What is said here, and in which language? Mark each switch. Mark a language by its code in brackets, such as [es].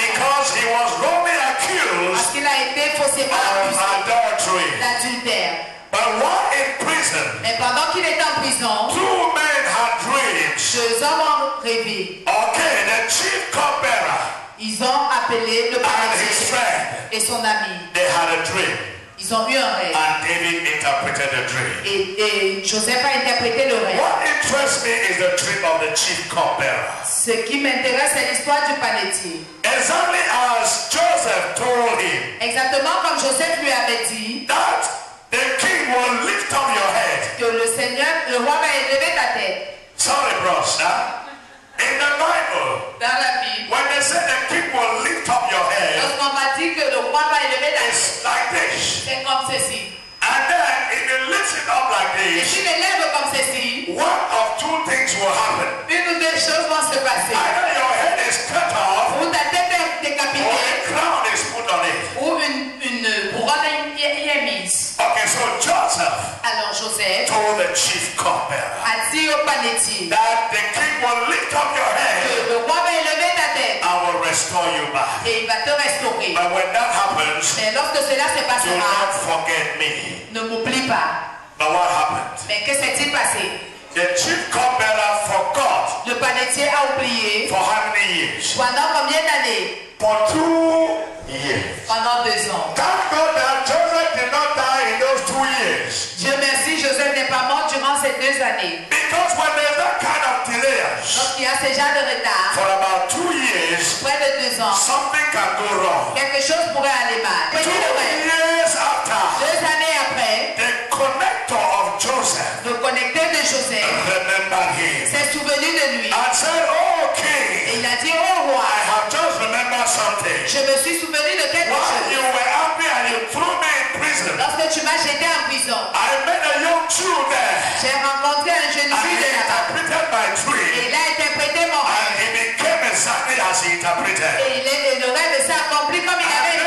[en] Because he was wrongly accused. [fr] Parce qu'il a été faussement accusé. [en] Adultery. [fr] D'adultère. [en] But while in prison. [fr] Mais pendant qu'il est en prison. [en] Two men had dreams. [fr] Deux hommes ont rêvé. [en] Okay, the chief cupbearer. [fr] Ils ont appelé le prêtre et son ami. [en] They had a dream. [fr] Ils ont eu un rêve. [en] And David interpreted the dream. [fr] Et Joseph a interprété le rêve. [en] What interests me is the dream of the chief cupbearer. [fr] Ce qui m'intéresse, c'est l'histoire du panetier. [en] Exactly as Joseph told him. [fr] Exactement comme Joseph lui avait dit. [en] That the king will lift up your head. [fr] Que le Seigneur, le roi va élever ta tête. [en] Sorry, bros. In the Bible, [fr] dans la Bible, [en] when they say the king will lift up your head, [fr] lorsqu'on m'a dit que le roi va élever ta tête, [en] it's like this. [fr] C'est comme ceci. [en] And then, if he lifts it up like this, [fr] et s'il élève comme ceci, [en] one of two things will happen. [fr] Une ou deux choses vont se passer. [en] Either your head is cut off, [fr] ou ta tête est décapitée, [en] or a crown is put on it. [fr] Ou une couronne y est mise. [en] Okay, so Joseph, [fr] alors Joseph [en] told the chief cupbearer, [fr] a dit au panetier, [en] that the king will lift up your head, [fr] le roi va élever ta tête, [en] I will restore you back. [fr] Et il va te restaurer. [en] But when that happens, [fr] mais lorsque cela se passera, [en] do not forget me. [fr] Ne m'oublie pas. [en] But what happened? [fr] Mais que s'est-il passé? [en] The chief cupbearer forgot. [fr] Le panetier a oublié. [en] For how many years? [fr] Pendant combien d'années? [en] For 2 years. [fr] Pendant 2 ans. [en] Thank God that Joseph did not die in those 2 years. [fr] Dieu merci, Joseph n'est pas mort durant ces 2 années. [en] Because when there's that kind of delay, [fr] lorsqu'il y a ce genre de retard, [en] for about 2 years, [fr] près de 2 ans, [en] something can go wrong. [fr] Quelque chose pourrait aller mal. [en] 2 years after, [fr] 2 années après, [en] the connector of Joseph, [fr] le connecteur de Joseph, [en] remember him, [fr] s'est souvenu de lui, [en] and said, oh king, [fr] et il a dit, oh roi, [en] I have just remembered something. [fr] Je me suis souvenu de quelque [en] while [fr] chose. [en] You were happy and you threw me in prison, [fr] lorsque tu m'as jeté en prison, [en] I met a young Jew there. [fr] J'ai rencontré un jeune fille de là-bas. [en] He interpreted my dream. [fr] Et il a interprété mon rêve. [en] And he became exactly as he interpreted. [fr] Et il est, le rêve s'est accompli comme il avait dit.